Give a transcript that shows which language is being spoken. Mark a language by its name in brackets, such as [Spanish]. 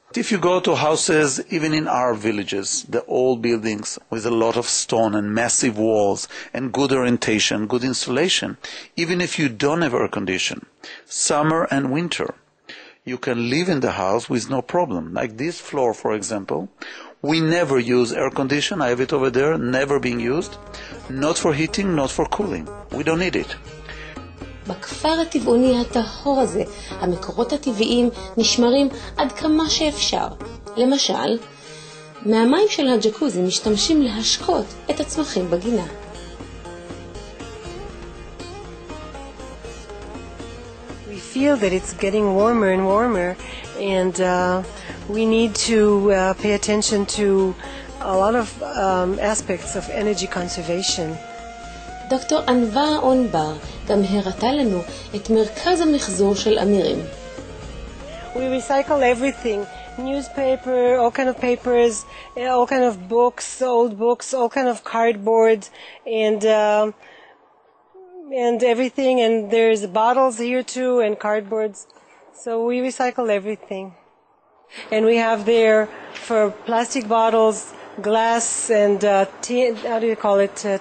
[English] If you go to houses, even in our villages, the old buildings with a lot of stone and massive walls and good orientation, good insulation, even if you don't have air condition, summer and winter, you can live in the house with no problem. Like this floor, for example, we never use air condition. I have it over there, never being used. Not for heating, not for cooling. We don't need it. [Hebrew] בכפר הטבעוני הטהור הזה, המקורות הטבעיים נשמרים עד כמה שאפשר. למשל, מהמים של הג'קוזי משתמשים להשקות את הצמחים בגינה. [English] We feel that it's getting warmer and warmer, and we need to pay attention to a lot of aspects of energy conservation. [Hebrew] דוקטור ענווה אונבר גם הראתה לנו את מרכז המחזור של אמירים. [English] We recycle everything, newspaper, all kind of papers, all kind of books, old books, all kind of cardboard, and everything, and there's bottles here too and cardboards. So we recycle everything. And we have there for plastic bottles, glass and tin, how do you call it?